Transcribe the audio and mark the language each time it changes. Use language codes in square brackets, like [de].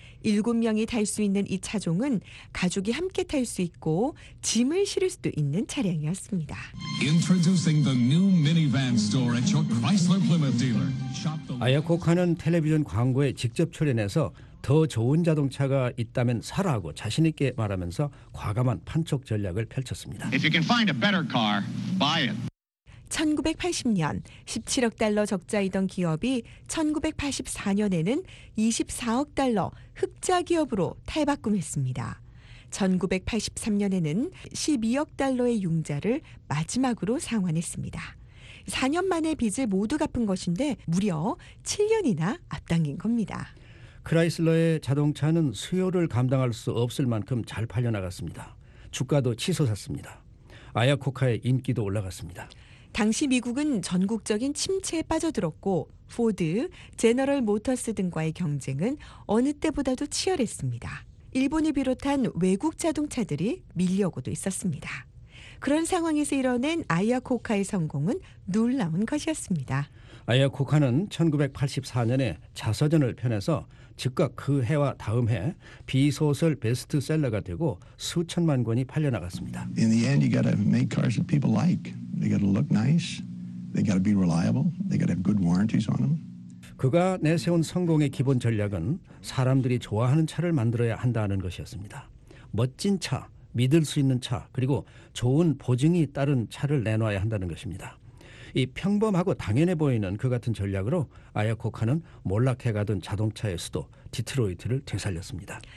[ko] 7명이 탈 수 있는 이 차종은 가족이 함께 탈 수 있고 짐을 실을 수도 있는 차량이었습니다. [en] Introducing the new minivan store at your Chrysler Plymouth dealer. [ko] 아야코카는 텔레비전 광고에 직접 출연해서 더 좋은 자동차가 있다면 사라고 자신 있게 말하면서 과감한 판촉 전략을 펼쳤습니다. [en] If you can find a better car, buy it. [ko] 1980년 17억 달러 적자이던 기업이 1984년에는 24억 달러 흑자 기업으로 탈바꿈했습니다. 1983년에는 12억 달러의 융자를 마지막으로 상환했습니다. 4년 만에 빚을 모두 갚은 것인데 무려 7년이나 앞당긴 겁니다. 크라이슬러의 자동차는 수요를 감당할 수 없을 만큼 잘 팔려나갔습니다. 주가도 치솟았습니다. 아야코카의 인기도 올라갔습니다. 당시 미국은 전국적인 침체에 빠져들었고 포드, 제너럴 모터스 등과의 경쟁은 어느 때보다도 치열했습니다. 일본을 비롯한 외국 자동차들이 밀려오고도 있었습니다. 그런 상황에서 이뤄낸 아야코카의 성공은 놀라운 것이었습니다. 아야코카는 1984년에 자서전을 펴내서 즉각 그 해와 다음 해 비소설 베스트셀러가 되고 수천만 권이 팔려나갔습니다. [en] In the end, you gotta make cars that people like. They gotta look nice. They gotta be reliable. They gotta have good warranties on them. [ko] 그가 내세운 성공의 기본 전략은 사람들이 좋아하는 차를 만들어야 한다는 것이었습니다. 멋진 차, 믿을 수 있는 차, 그리고 좋은 보증이 따른 차를 내놔야 한다는 것입니다. 이 평범하고 당연해 보이는 그 같은 전략으로 아야코카는 몰락해가던 자동차의 수도 디트로이트를 되살렸습니다.